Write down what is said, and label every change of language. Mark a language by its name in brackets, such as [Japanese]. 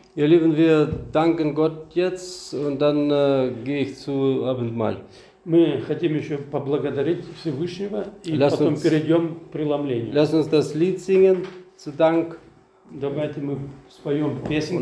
[German] Ihr Lieben, wir danken Gott jetzt und dann gehe ich zu Abendmahl. [Russian] Мы хотим еще поблагодарить Всевышнего и [German] lass [Russian] потом [German] uns, [Russian] перейдем к преломлению. [German] Lass uns das Lied singen, zu Dank. [Russian] Давайте мы споем песенку.